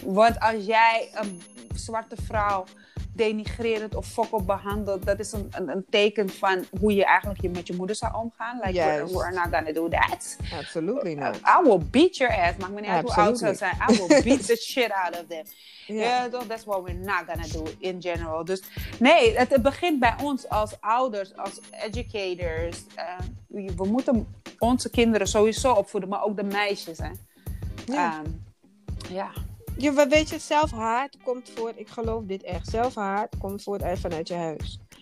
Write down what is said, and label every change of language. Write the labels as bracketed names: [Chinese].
[Dutch] Want als jij een zwarte vrouw denigrerend of fokkel behandeld, dat is een teken van hoe je eigenlijk je met je moeder zou omgaan. [English] Like, yes. We're not gonna do that. Absolutely not. I will beat your ass. [Dutch] Maakt me niet uit hoe oud ze zijn. [English] I will beat the shit out of them. Yeah. Yeah, that's what we're not gonna do in general. [Dutch] Dus nee, het begint bij ons als ouders, als educators. We moeten onze kinderen sowieso opvoeden, maar ook de meisjes. Ja. Ja, weet je, zelfhaat komt voort, ik geloof dit echt, zelfhaat komt voort uit vanuit je huis.